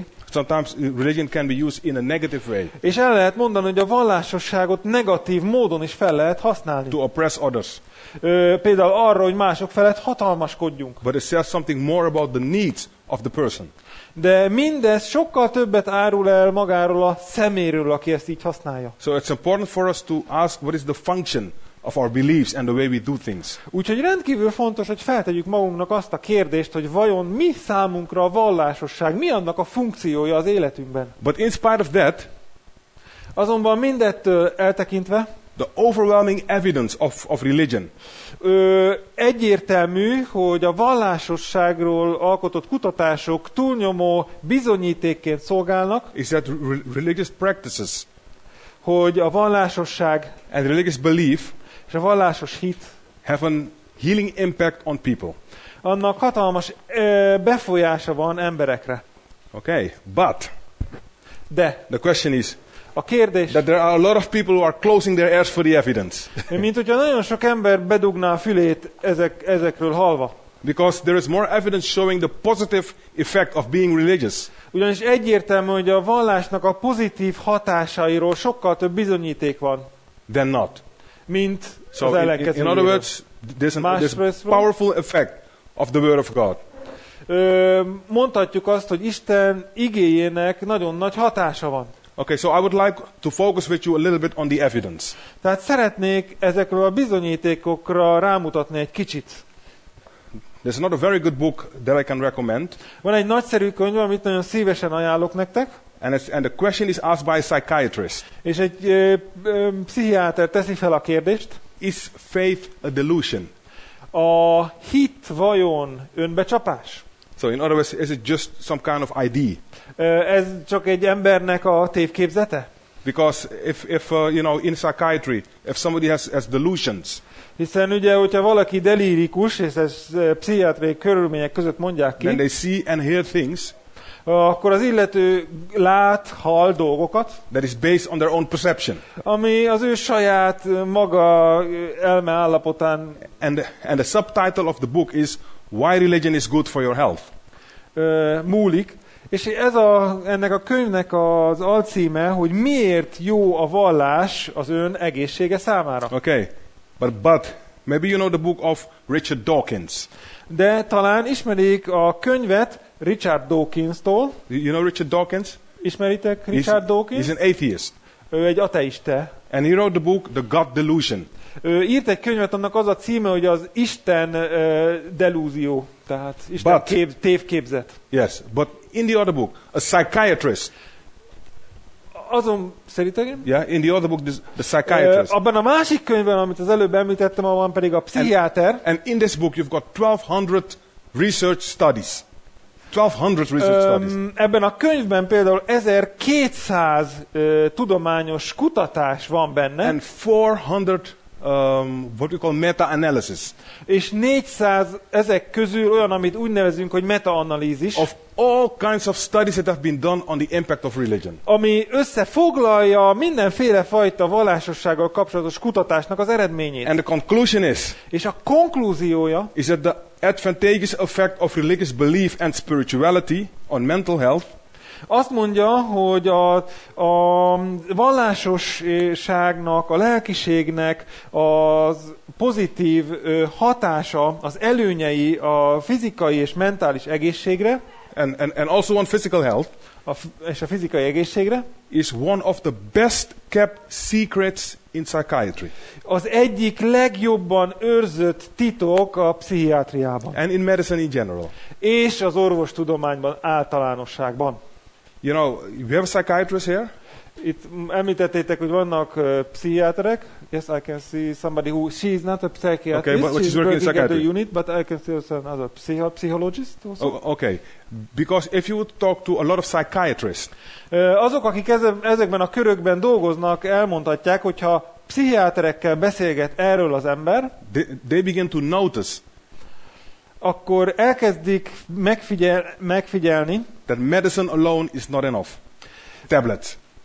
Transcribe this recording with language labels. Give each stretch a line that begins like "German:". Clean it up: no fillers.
English: Sometimes religion can be used in a negative way.
Hungarian: És el lehet mondani, hogy a vallásosságot negatív módon is fel lehet használni.
English: To oppress others.
Hungarian: Például arra, hogy mások felett hatalmaskodjunk.
English: But it says something more about the needs of the person.
Hungarian: De mindez sokkal többet árul el magáról a szeméről, aki ezt így használja.
English: So it's important for us to ask what is the function of our beliefs and the way we do things.
Hungarian: Úgyhogy rendkívül fontos, hogy feltegyük magunknak azt a kérdést, hogy vajon mi számunkra a vallásosság, mi annak a funkciója az életünkben.
English: But in spite of that,
Hungarian: azonban mindettől eltekintve,
English: the overwhelming evidence of religion.
Hungarian: Egyértelmű, hogy a vallásosságról alkotott kutatások túlnyomó bizonyítékként szolgálnak.
English: Is that religious practices?
Hungarian: Hogy a vallásosság
English: and religious belief
Hungarian: és a vallásos hit
English: have a healing impact on people.
Hungarian: Annak hatalmas befolyása van emberekre.
English: Okay, but
Hungarian: de
English: the question is,
Hungarian: a kérdés,
English: that there are a lot of people who are closing their ears for the evidence.
Hungarian: Mint hogyha nagyon sok ember bedugná a fülét ezekről hallva.
English: Because there is more evidence showing the positive effect of being religious.
Hungarian: Ugyanis egyértelmű, hogy a vallásnak a pozitív hatásairól sokkal több bizonyíték van.
English: Than not.
Hungarian: Mint
English: so
Hungarian: az ellenkező.
English: In other words, there's a powerful effect of the word of God.
Hungarian: Mondhatjuk azt, hogy Isten igéjének nagyon nagy hatása van.
English: Okay, so I would like to focus with you a little bit on the evidence.
Hungarian: Tehát szeretnék ezekről a bizonyítékokra rámutatni egy kicsit.
English: There's not a very good book that I can recommend.
Hungarian: Van egy nagyszerű könyv, amit nagyon szívesen ajánlok nektek.
English: And the question is asked by a psychiatrist.
Hungarian: És egy pszichiáter teszi fel a kérdést.
English: Is faith a delusion?
Hungarian: A hit vajon önbecsapás?
English: So in other words, is it just some kind of ID?
Hungarian: Ez csak egy embernek a tévképzete?
English: Because if in psychiatry, if somebody has delusions.
Hungarian: Hiszen ugye, hogyha valaki delirikus, és ez pszichiátriai körülmények között mondják ki.
English: Then they see and hear things.
Hungarian: Akkor az illető lát, hall dolgokat.
English: That is based on their own perception.
Hungarian: Ami az ő saját maga elme állapotán.
English: And the subtitle of the book is Why Religion is Good for Your Health.
Hungarian: Múlik. És ez a, ennek a könyvnek az alcíme, hogy miért jó a vallás az ön egészsége számára.
English: Okay, but maybe you know the book of Richard Dawkins.
Hungarian: De talán ismerik a könyvet Richard Dawkins-tól.
English: You know Richard Dawkins?
Hungarian: Ismeritek Richard Dawkins?
English: He's an atheist.
Hungarian: Ő egy ateista.
English: And he wrote the book The God Delusion.
Hungarian: Ő írt egy könyvet, annak az a címe, hogy az Isten delúzió, tehát Isten tévképzet.
English: Yes, but in the other book, a psychiatrist.
Hungarian: Azon szerintem?
English: Yeah, in the other book, the psychiatrist.
Hungarian: Abban a másik könyvben, amit az előbb említettem, abban pedig a pszichiáter.
English: And in this book, you've got 1200 research studies. 1200 research studies.
Hungarian: Ebben a könyvben például 1200 tudományos kutatás van benne.
English: And 400 what we call meta-analysis.
Hungarian: És 400 ezek közül olyan, amit úgy nevezünk, hogy meta-analízis.
English: Of all kinds of studies that have been done on the impact of religion.
Hungarian: Ami összefoglalja mindenféle fajta vallásossággal kapcsolatos kutatásnak az eredményét.
English: And the conclusion is.
Hungarian: És a konklúziója.
English: Is that the advantageous effect of religious belief and spirituality on mental health.
Hungarian: Azt mondja, hogy a vallásosságnak, a lelkiségnek az pozitív hatása, az előnyei a fizikai és mentális egészségre,
English: and also on physical health,
Hungarian: és a fizikai egészségre,
English: is one of the best kept secrets in psychiatry.
Hungarian: Az egyik legjobban őrzött titok a pszichiátriában.
English: And in medicine in general.
Hungarian: És az orvostudományban általánosságban.
English: You know, we have a psychiatrist here. Itt említettétek, hogy vannak pszichiáterek. Yes, I can see somebody who she is not a psychiatrist. Okay, but she's working in psychiatry. The unit, but I can see also another psychologist. Also. Oh, okay, because if you would talk to a lot of psychiatrists.
Hungarian: Azok, akik ezekben a körökben dolgoznak, elmondhatják, hogyha pszichiáterekkel beszélget erről az ember.
English: They begin to notice.
Hungarian: Akkor elkezdik megfigyelni.
English: That medicine alone is not enough. Tablets.